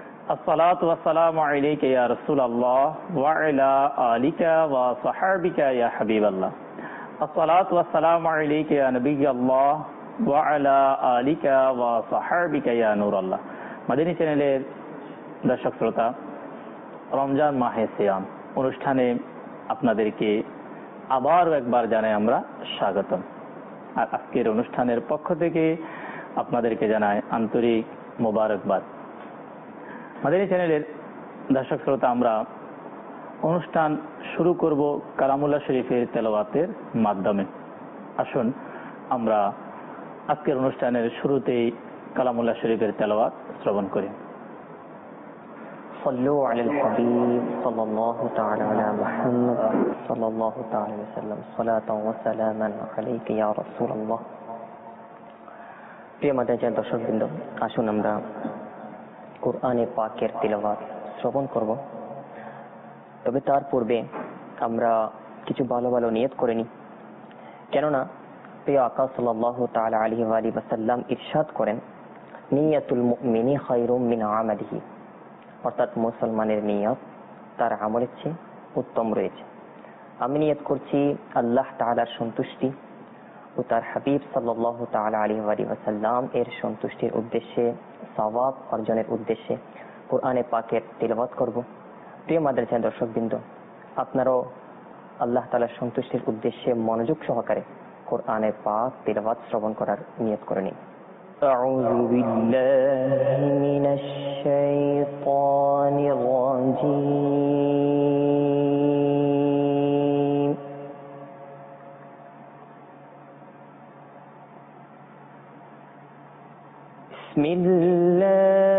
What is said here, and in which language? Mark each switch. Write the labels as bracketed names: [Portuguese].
[Arabic] الصلاة والسلام عليك يا رسول الله وعلى آلك وصحابك يا حبيب الله الصلاة والسلام عليك يا نبي الله وعلى آلك وصحابك يا نور الله مدني چینل [Bangla] দর্শক শ্রোতা রমজান মাহে সিয়াম অনুষ্ঠানে আপনাদেরকে আবারও একবার জানাই আমরা স্বাগতম। আর আজকের অনুষ্ঠানের পক্ষ থেকে আপনাদেরকে জানাই আন্তরিক মোবারকবাদ। মাদানী চ্যানেলের দর্শক শ্রোতা, আমরা অনুষ্ঠান শুরু করব কালামুল্লাহ শরীফের তেলাওয়াতের মাধ্যমে। আসুন আমরা আজকের অনুষ্ঠানের শুরুতেই কালামুল্লাহ শরীফের তেলাওয়াত শ্রবণ করি। [Arabic] صلوا على الحبيب صلى الله تعالى على محمد صلى الله تعالى وسلم صلاة وسلاما عليك يا رسول الله [Bangla] প্রিয় মাদ্রাসার দর্শকবৃন্দ, আসুন আমরা কোরআনে পাকের তেলাওয়াত শ্রবণ করব। তবে তার পূর্বে আমরা কিছু ভালো ভালো নিয়ত করে নিই, কেননা প্রিয় আকাশ সাল্লাল্লাহু তাআলা আলাইহি ওয়া আলিহি ওয়াসাল্লাম ইরশাদ করেন, [Arabic] নিয়তুল মুমিনি খায়রুম মিন আমালিহি, [Bangla] অর্থাৎ মুসলমানের নিয়ত তার আমলের চেয়ে উত্তম রয়েছে। আমি নিয়ত করছি আল্লাহ তাআলার সন্তুষ্টি ও তার হাবিব সাল্লাল্লাহু তাআলা আলাইহি ওয়া সাল্লাম এর সন্তুষ্টির উদ্দেশ্যে, সওয়াব অর্জনের উদ্দেশ্যে কোরআনে পাকের তেলাওয়াত করব। প্রিয় মাদ্রাসার দর্শকবৃন্দ, আপনারাও আল্লাহ তাআলার সন্তুষ্টির উদ্দেশ্যে মনোযোগ সহকারে কোরআনে পাক তেলাওয়াত শ্রবণ করার নিয়ত করে নিন। [Arabic] أعوذ بالله من الشيطان الرجيم بسم الله